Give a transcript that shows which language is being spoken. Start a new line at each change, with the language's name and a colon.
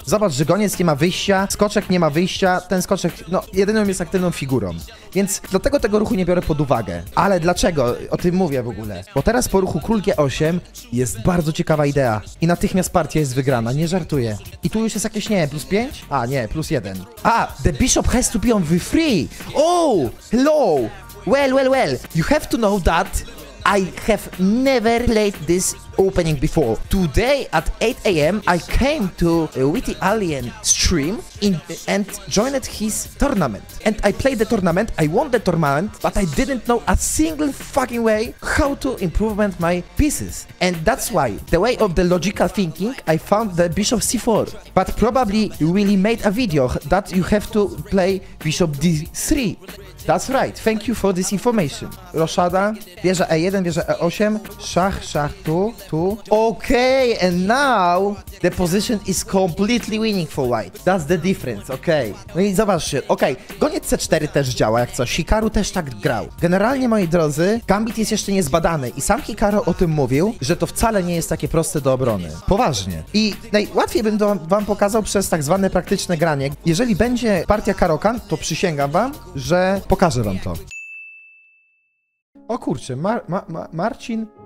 Polish: Zobacz, że goniec nie ma wyjścia, skoczek nie ma wyjścia, ten skoczek, no, jedyną jest aktywną figurą. Więc dlatego tego ruchu nie biorę pod uwagę. Ale dlaczego o tym mówię w ogóle? Bo teraz po ruchu król G8 jest bardzo ciekawa idea. I natychmiast partia jest wygrana, nie żartuję. I tu już jest jakieś, nie, plus 5? A, nie, plus 1.
English: A, the bishop has to be on V3! Oh, hello! Well, you have to know that I have never played this opening before. Today at 8 AM I came to Witty Alien stream and joined his tournament. And I played the tournament, I won the tournament, but I didn't know a single fucking way how to improve my pieces. And that's why, the way of the logical thinking, I found the bishop C4. But probably Willy made a video that you have to play bishop D3. That's right, thank you for this information.
Polish: Roszada, wieża E1, wieża E8, szach, tu.
English: Okay, and now the position is completely winning for white. That's the difference, okay.
Polish: No i zobaczcie, okay, goniec C4 też działa jak coś, Hikaru też tak grał. Generalnie, moi drodzy, gambit jest jeszcze niezbadany i sam Hikaru o tym mówił, że to wcale nie jest takie proste do obrony. Poważnie. I najłatwiej bym to wam pokazał przez tak zwane praktyczne granie. Jeżeli będzie partia Karokan, to przysięgam wam, że pokażę wam to. O kurczę, Marcin